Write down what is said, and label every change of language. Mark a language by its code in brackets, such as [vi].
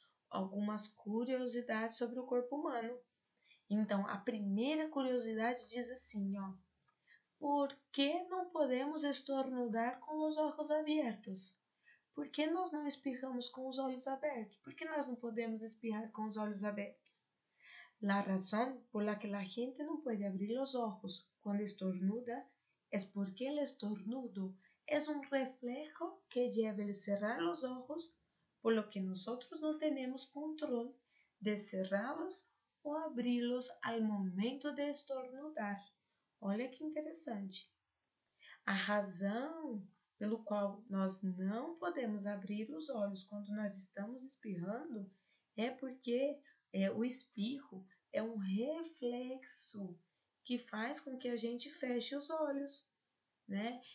[pt] Algumas curiosidades sobre o corpo humano. Então, a primeira curiosidade diz assim, ó: por que não podemos estornudar com os olhos abertos? Por que nós não espirramos com os olhos abertos? Por que nós não podemos espirrar com os olhos abertos? [es] La razón por la que la gente no puede abrir los ojos cuando estornuda es porque el estornudo es un reflejo que lleva el cerrar los ojos, por lo que nosotros no tenemos control de cerrarlos o abrirlos al momento de estornudar. [pt] Olha que interessante. A razão pelo qual nós não podemos abrir os olhos quando nós estamos espirrando é porque o espirro é um reflexo que faz com que a gente feche os olhos, né?